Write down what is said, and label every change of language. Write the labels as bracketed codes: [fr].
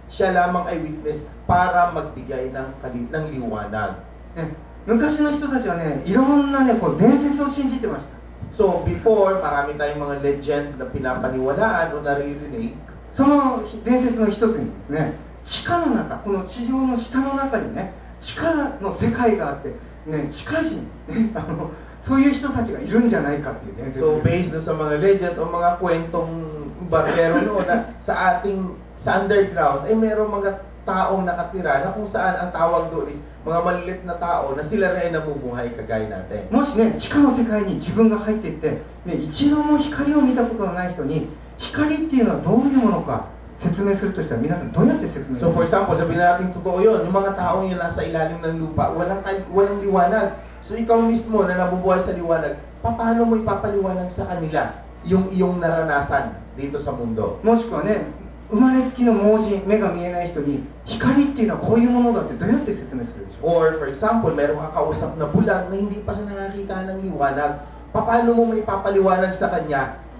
[tl] Siya lamang ay witness para magbigay ng liwanag. [ja] 昔の人たちはね、いろんなね、こう伝説を信じてました。 [tl] So before, marami tayong mga legend na pinapaniwalaan o naririnig. [ja] その伝説の一つにですね、地下の中、この地上の下の中にね、地下の世界があって、ね、地下人、そういう人たちがいるんじゃないかっていう伝説。 [tl] So based sa mga legend o mga kwentong barbero no, na sa ating sa underground ay merong mga taong nakatira na kung saan ang tawag doon is mga maliliit na tao na sila rin namumuhay kagaya natin. [ja] もしね、地下の世界に自分が入っていって、ね、一度も光を見たことのない人に光っていうのはどういうものか説明するとしたら、皆さんどうやって説明するの？ [en] So for example, [tl] sabihin na natin totoo yun, yung mga taong yun nasa ilalim ng lupa, walang liwanag. So ikaw mismo na nabubuhay sa liwanag, paano mo ipapaliwanag sa kanila yung iyong naranasan dito sa mundo? [ja] もしくはね、生まれつきの盲人、目が見えない人に光っていうのはこういうものだってどうやって説明するでしょう？ [en] Or for example, [tl] merong kakausap na bulag na hindi pa siya nakakita ng liwanag, paano mo ipapaliwanag sa kanya